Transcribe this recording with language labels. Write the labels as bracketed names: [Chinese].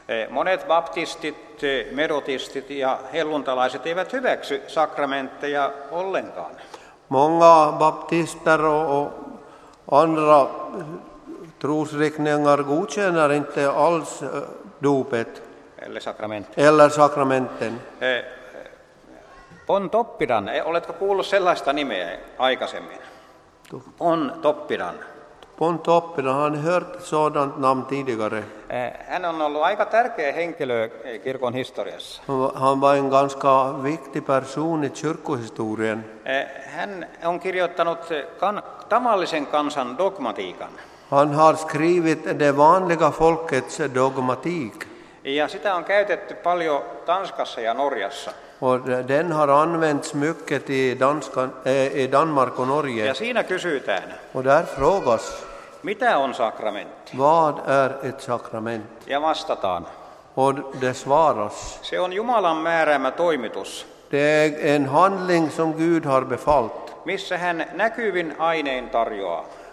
[Finnish] Monet baptistit, metodistit ja helluntalaiset eivät hyväksy sakramentteja ollenkaan. [Swedish] Många baptister och andra trosriktningar godkänner inte alls dopet. Eller sakramenten. [Finnish] Pontoppidan, oletko kuullut sellaista nimeä aikaisemmin? Pontoppidan. [Swedish] Pontoppidan, han hört sådant namn tidigare. [Finnish] Hän on ollut aika tärkeä henkilö kirkon historiassa. [Swedish] Han var en ganska viktig person i kyrkohistorien. [Finnish] Hän on kirjoittanut tavallisen kansan dogmatiikan. [Swedish] Han har skrivit det vanliga folkets dogmatik. [Finnish] Ja sitä on käytetty paljon Tanskassa ja Norjassa. [Swedish] Och den har använts mycket i Danmark och Norge. [Finnish] Ja siinä kysytään. [Swedish] Och där frågas. [Finnish] Mitä on sakramentti? [Swedish] Vad är ett sakrament? [Finnish] Ja vastataan. [Swedish] Och det svaras. [Finnish] Se on Jumalan määräämä toimitus. [Swedish] Det är en handling som Gud har befallt. [Finnish] Missä hän näkyvin ainein tarjoaa.